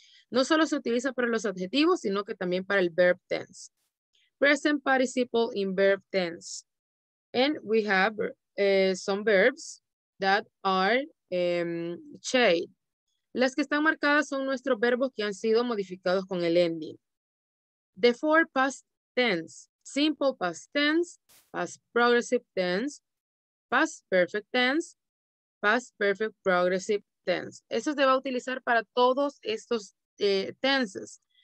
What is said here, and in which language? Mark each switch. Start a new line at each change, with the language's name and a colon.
Spanish: No solo se utiliza para los adjetivos, sino que también para el verb tense.
English: Present participle in verb tense. And we have some verbs that are changed.
Spanish: Las que están marcadas son nuestros verbos que han sido modificados con el ending.
English: The four past tense, simple past tense, past progressive tense, past perfect tense, past perfect progressive tense.
Spanish: Eso se va a utilizar para todos estos tenses.